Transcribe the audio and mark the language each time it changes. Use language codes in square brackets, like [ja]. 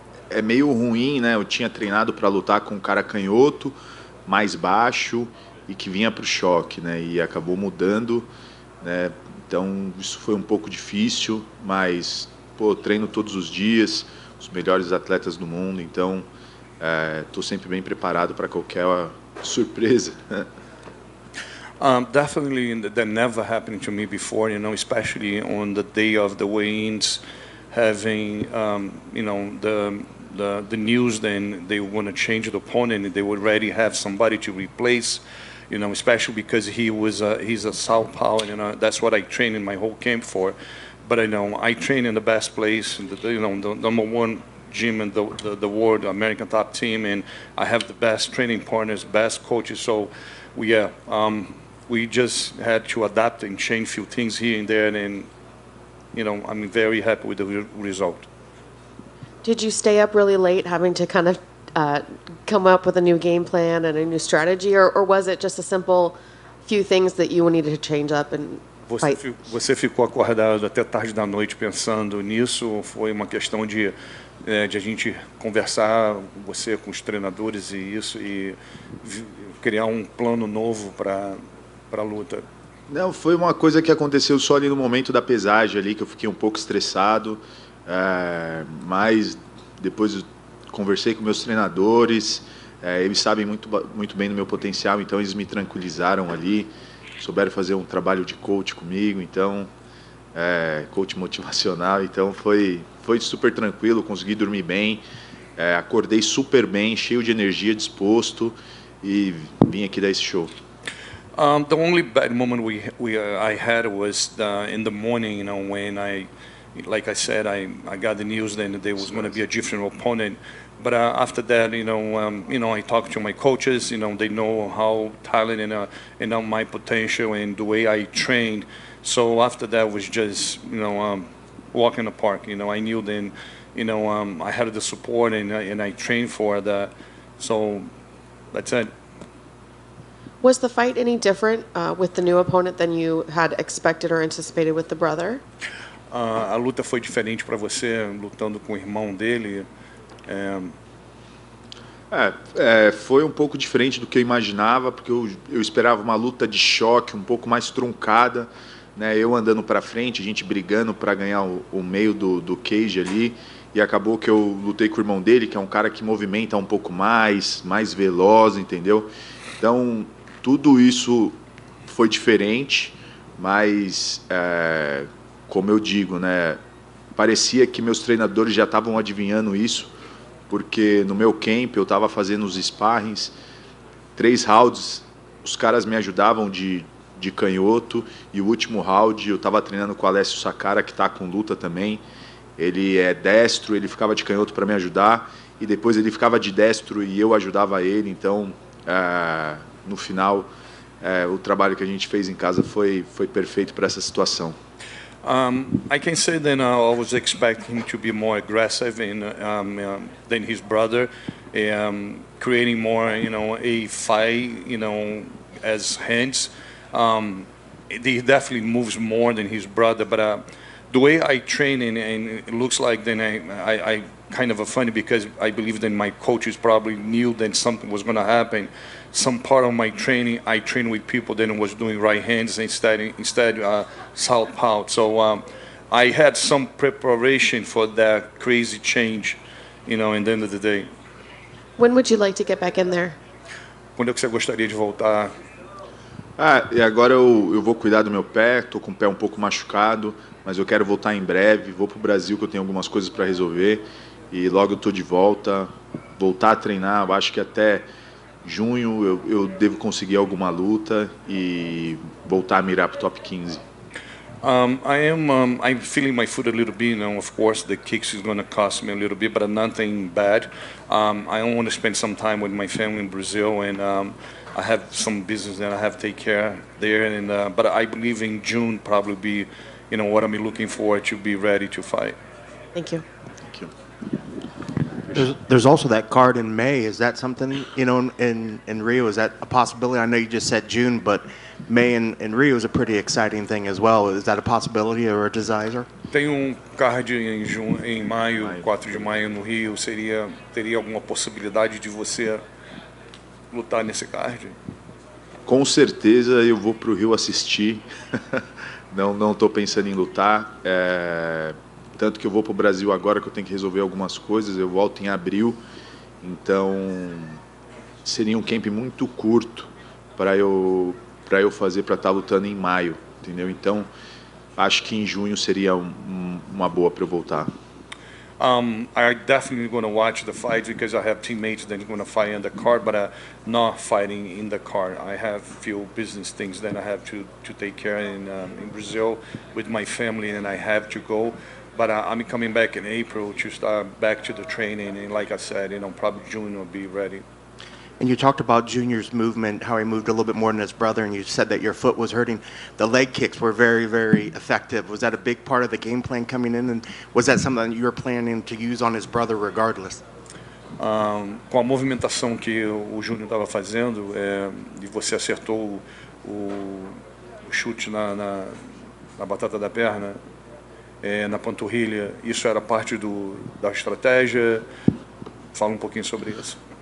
[pt] É meio ruim, né? Eu tinha treinado para lutar com um cara canhoto, mais baixo e que vinha para o choque, né? E acabou mudando, né? Então isso foi um pouco difícil, mas pô, eu treino todos os dias, os melhores atletas do mundo, então estou sempre bem preparado para qualquer surpresa. [en] Definitely, that never happened to me before, you know, especially on the day of the weigh-ins, having, you know, the news then they want to change the opponent, they already have somebody to replace, you know, especially because he's a southpaw, you know, that's what I trained in my whole camp for. But I know I train in the best place, you know, the number one gym in the world, American top team, and I have the best training partners, best coaches, so, yeah. We just had to adapt and change a few things here and there, and, you know, I'm very happy with the result. Did you stay up really late having to kind of come up with a new game plan and a new strategy, or was it just a simple few things that you needed to change up and fight? [pt] Você ficou acordado até tarde da noite pensando nisso, ou foi uma questão de a gente conversar você com os treinadores e isso, e criar um plano novo para luta? Não, foi uma coisa que aconteceu só ali no momento da pesagem ali, que eu fiquei um pouco estressado, mas depois conversei com meus treinadores, eles sabem muito, muito bem do meu potencial, então eles me tranquilizaram ali, souberam fazer um trabalho de coach comigo, então, coach motivacional, então foi super tranquilo, consegui dormir bem, acordei super bem, cheio de energia, disposto, e vim aqui dar esse show. [en] The only bad moment I had was in the morning, you know, when I, like I said, I got the news that there was going to be a different opponent. But after that, you know, I talked to my coaches. You know, they know how talented and my potential and the way I trained. So after that was just, you know, walk in the park. You know, I knew then, you know, I had the support and I trained for that. So that's it. Was the fight any different with the new opponent than you had expected or anticipated with the brother? [pt] A luta foi diferente para você lutando com o irmão dele? Foi um pouco diferente do que eu imaginava, porque eu esperava uma luta de choque, um pouco mais truncada, né? Eu andando para frente, a gente brigando para ganhar o meio do cage ali, e acabou que eu lutei com o irmão dele, que é um cara que movimenta um pouco mais veloz, entendeu? Então, tudo isso foi diferente, mas, como eu digo, né, parecia que meus treinadores já estavam adivinhando isso, porque no meu camp eu estava fazendo os sparrings, três rounds, os caras me ajudavam de canhoto, e o último round eu estava treinando com o Alessio Sacara, que está com luta também, ele é destro, ele ficava de canhoto para me ajudar, e depois ele ficava de destro e eu ajudava ele, então... No final, o trabalho que a gente fez em casa foi perfeito para essa situação. [en] I can say that I was expecting him to be more aggressive than his brother, creating more, you know, a fight, you know, as hands. He definitely moves more than his brother, but the way I train, and it looks like then I kind of a funny because I believe that my coaches probably knew that something was going to happen. Some part of my training, I trained with people that was doing right hands instead southpaw. So I had some preparation for that crazy change, you know, in the end of the day. When would you like to get back in there? [pt] Quando você gostaria de voltar? Ah, e agora eu vou cuidar do meu pé, estou com o pé um pouco machucado, mas eu quero voltar em breve, vou para o Brasil que eu tenho algumas coisas para resolver e logo eu estou de volta, voltar a treinar, eu acho que até junho eu devo conseguir alguma luta e voltar a mirar para o top 15. [en] I'm feeling my foot a little bit, you know, of course the kicks is going to cost me a little bit, but nothing bad. I don't want to spend some time with my family in Brazil, and I have some business that I have to take care of there, and but I believe in June probably be, you know, what I'm looking for to be ready to fight. Thank you. Thank you. There's also that card in May. Is that something, you know, in Rio, is that a possibility? I know you just said June, but May in Rio is a pretty exciting thing as well. Is that a possibility or a desire? [pt] Tem card em maio, 4 de maio no Rio, teria alguma possibilidade de você lutar nesse card? Com certeza eu vou pro Rio assistir. não tô pensando em lutar. Tanto que eu vou pro Brasil agora que eu tenho que resolver algumas coisas, eu volto em abril. Então seria camp muito curto para eu fazer para estar lutando em maio, entendeu? Então acho que em junho seria uma boa para eu voltar. [en] I definitely going to watch the fight because I have teammates that are going to fight in the car, but not fighting in the car. I have few business things that I have to take care of in Brazil with my family, and I have to go. But I'm coming back in April to start back to the training, and like I said, you know, probably June will be ready. And you talked about Junior's movement, how he moved a little bit more than his brother, and you said that your foot was hurting. The leg kicks were very, very effective. Was that a big part of the game plan coming in, and was that something that you were planning to use on his brother regardless? [pt] Com a movimentação que o Junior estava fazendo, e você acertou o chute na batata da perna, na panturrilha, isso era parte da estratégia? Fala um pouquinho sobre isso.